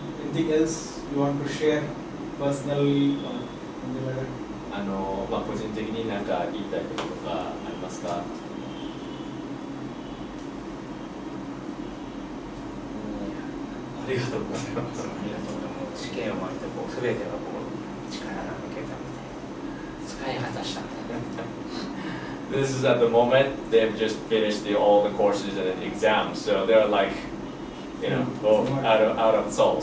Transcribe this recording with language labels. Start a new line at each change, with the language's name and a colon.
English: Anything else you want to share personally or in the letter?
Japanese: あの、まあ、個人的に何か言いたいこととかありますか？ありがとうございます。ありがとうございます。試験を終えて、こう、すべてがこう、力が抜けたみたいな。使い果たした。
English: This is at the moment, they've just finished all the courses and the exams, so they're like,You know, out of soul.